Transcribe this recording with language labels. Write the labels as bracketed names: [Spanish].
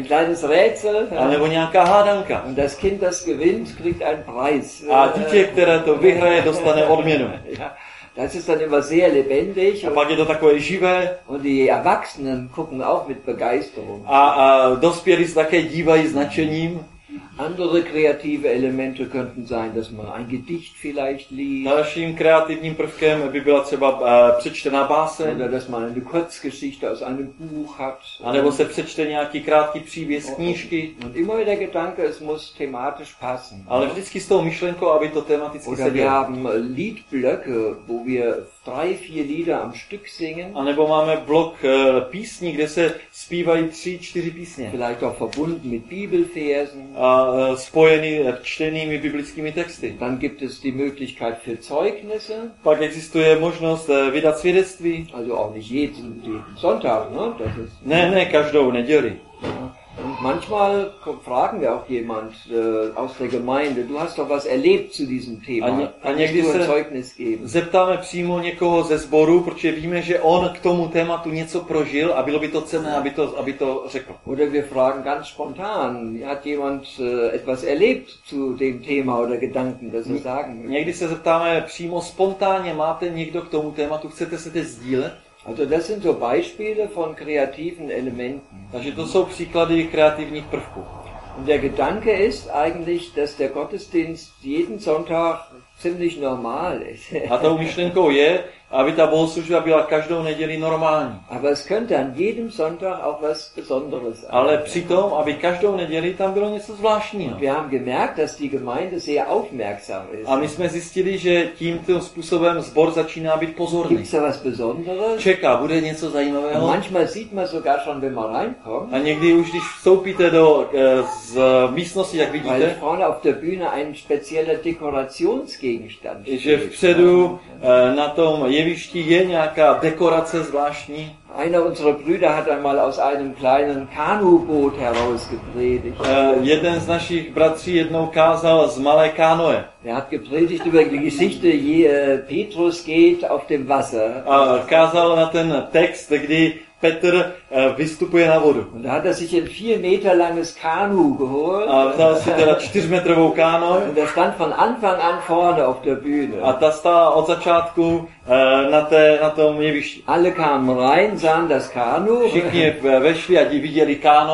[German] Ein kleines Rätsel. [Czech] A nebo nějaká hádanka. [German] Und das Kind, das gewinnt, kriegt einen Preis. [Czech] A dítě, které to vyhraje, dostane odměnu. [German] Das ist dann immer sehr lebendig. [Czech] A pak je to takové živé. [German] Und die Erwachsenen gucken auch mit Begeisterung. [Czech] A dospělí se také dívají s nadšením. [German] Andere kreative Elemente könnten sein, dass man ein Gedicht vielleicht liest. [Czech] Dalším kreativním prvkem by byla třeba přečtená báseň. [German] Oder dass man eine Kurzgeschichte aus einem Buch hat. [Czech] A nebo se přečte nějaký krátký příběh z knížky. [German] Und immer wieder Gedanke, es muss thematisch passen. [Czech] Ale vždycky s tou myšlenkou, aby to tematicky sedělo. [German] Oder wir haben Liedblöcke, wo wir 3-4 Lieder am Stück singen. [Czech] A nebo máme blok písní, kde se zpívají 3-4 písně. [German] Vielleicht auch verbunden mit Bibelfersen. [Czech] A spojený čtenými biblickými texty. [German] Dann gibt es die Möglichkeit für Zeugnisse. [Czech] Pak existuje možnost vydat svědectví. [German] Also auch nicht jeden Sonntag, ne? Das [Czech] ist ne, každou neděli. [German] Und manchmal fragen wir auch jemand aus der Gemeinde, du hast doch was erlebt zu diesem Thema. Kannst du ein Zeugnis geben? [Czech] Zeptáme přímo někoho ze sboru, protože víme, že on k tomu tématu něco prožil a bylo by to cenné, aby to řekl. [German] Oder wir fragen ganz spontan, hat jemand etwas erlebt zu dem Thema oder Gedanken, das er sagen möchte? [Czech] Někdy se zeptáme přímo spontánně, máte někdo k tomu tématu, chcete se teď sdílet? [German] Also das sind so Beispiele von kreativen Elementen. [Czech] Takže to jsou příklady kreativních prvků. [German] Und der Gedanke ist eigentlich, dass der Gottesdienst jeden Sonntag ziemlich normal ist. [Czech] A tou myšlenkou je, aby ta bohoslužba byla každou neděli normální. [German] Aber es könnte an jedem Sonntag auch was Besonderes sein. [Czech] Ale přitom, aby každou neděli tam bylo něco zvláštního. [German] Wir haben gemerkt, dass die Gemeinde sehr aufmerksam ist. [Czech] A my jsme zjistili, že tímto způsobem sbor začíná být pozorný. [German] Gibt's da was Besonderes? [Czech] Čeká, bude něco zajímavého. [German] Und manchmal sieht man sogar schon, wenn man reinkommt. [Czech] A někdy už, když vstoupíte do z místnosti, jak vidíte. [German] Weil vorne auf der Bühne ein spezieller Dekorationsgegenstand steht. [Czech] Že vpředu na tom jevišti je nějaká dekorace zvláštní. [German] Einer unserer Brüder hat einmal aus einem kleinen Kanuboot herausgepredigt. [Czech] Jeden z našich bratří jednou kázal z malé kánoe. [German] Er hat gepredigt über die Geschichte, wie Petrus geht auf dem Wasser. [Czech] Kázal na ten text, kdy Petr vystupuje na vodu. [German] Und da hat er sich ein 4 Meter langes Kanu geholt. [Czech] A vzal si teda 4-metrovou kánu. [German] Und er stand von Anfang an vorne auf der Bühne. [Czech] A ta stála od začátku na tom jevišti. [German] Alle kamen rein, sahen das Kanu. [Czech] Všichni vešli a viděli kánu.